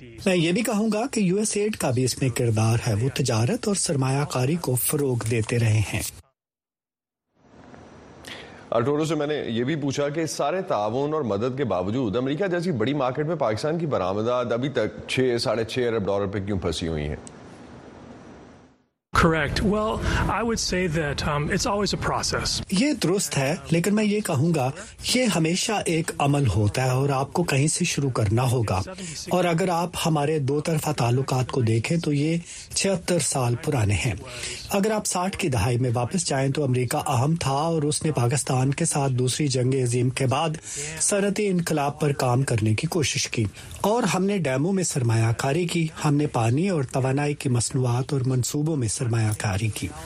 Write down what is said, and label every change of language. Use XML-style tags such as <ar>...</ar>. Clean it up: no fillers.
<ur>میں یہ بھی کہوں گا کہ یو ایس ایڈ کا بھی اس میں کردار ہے, وہ تجارت اور سرمایہ کاری کو فروغ دیتے رہے ہیں. ارٹورو سے میں نے یہ بھی پوچھا کہ سارے تعاون اور مدد کے باوجود امریکہ جیسی بڑی مارکیٹ میں پاکستان کی برآمدات ابھی تک 6-6.5 ارب ڈالر پہ کیوں پھنسی ہوئی ہیں؟</ur> <en>Correct. Well, I would say that it's always a process.</en> <ur>یہ درست ہے, لیکن میں یہ کہوں گا یہ ہمیشہ ایک عمل ہوتا ہے اور آپ کو کہیں سے شروع کرنا ہوگا. اور اگر آپ ہمارے دو طرفہ تعلقات کو دیکھیں تو یہ 76 سال پرانے ہیں. اگر آپ 60 کی دہائی میں واپس جائیں تو امریکہ اہم تھا اور اس نے پاکستان کے ساتھ دوسری جنگ عظیم کے بعد صنعتی انقلاب پر کام کرنے کی کوشش کی اور ہم نے ڈیموں میں سرمایہ کاری کی, ہم نے پانی اور توانائی کی مصنوعات اور منصوبوں میں سرمایہ کاری کی.</ur>